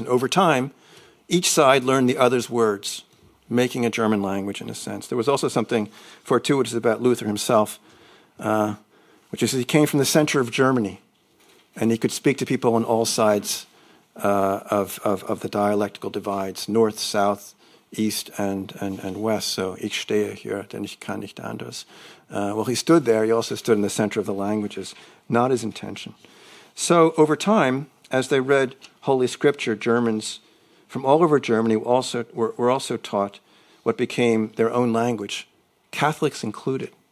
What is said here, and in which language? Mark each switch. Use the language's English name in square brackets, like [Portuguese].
[English] And over time, each side learned the other's words, making a German language in a sense. There was also something fortuitous about Luther himself, which is that he came from the center of Germany, and he could speak to people on all sides of the dialectical divides, north, south, east, and west. [German] So ich stehe hier, denn ich kann nicht anders. [English] Well, he stood there. He also stood in the center of the languages, not his intention. So over time, as they read Holy Scripture, Germans from all over Germany were also taught what became their own language, Catholics included.